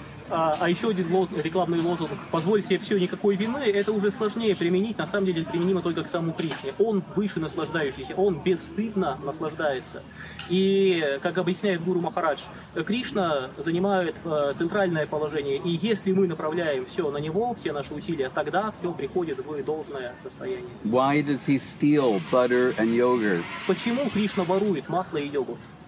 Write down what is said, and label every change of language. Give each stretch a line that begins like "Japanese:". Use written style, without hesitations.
Russian: А еще один рекламный лозунг «Позволь себе все, никакой вины» — это уже сложнее применить, на самом деле применимо только к самому Кришне. Он выше наслаждающийся, он бесстыдно наслаждается. И, как объясняет Гуру Махарадж, Кришна занимает центральное положение, и если мы направляем все на него, все наши усилия, тогда все приходит в должное состояние.
English: Why does he steal butter and yogurt?
Russian: Почему Кришна ворует масло и йогурт?